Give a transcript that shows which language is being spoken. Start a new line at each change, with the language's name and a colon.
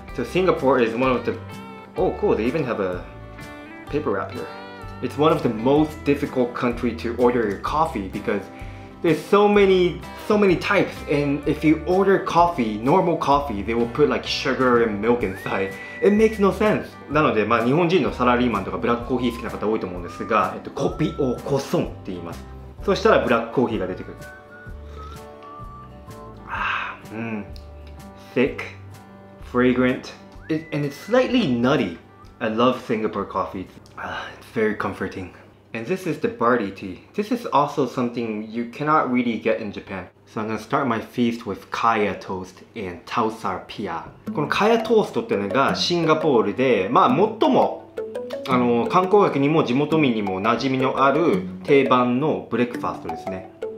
English: So Singapore is one of the... Oh cool, they even have a paper wrap here. It's one of the most difficult country to order your coffee because there's so many types. And if you order coffee, normal coffee, they will put like sugar and milk inside. It makes no sense.
Japanese: なのでまあ日本人のサラリーマンとかブラックコーヒー好きな方多いと思うんですが、コピオコソンって言います。そしたらブラックコーヒーが出てくる。
English: Thick. Fragrant, and it's slightly nutty. I love Singapore coffee. It's very comforting. And this is the barley tea. This is also something you cannot really get in Japan. So I'm gonna start my feast with kaya toast and tausar pia.
Japanese: このかやトーストってのがシンガポールで、まあ最もあの観光客にも地元民にも馴染みのある定番のブレックファーストですね。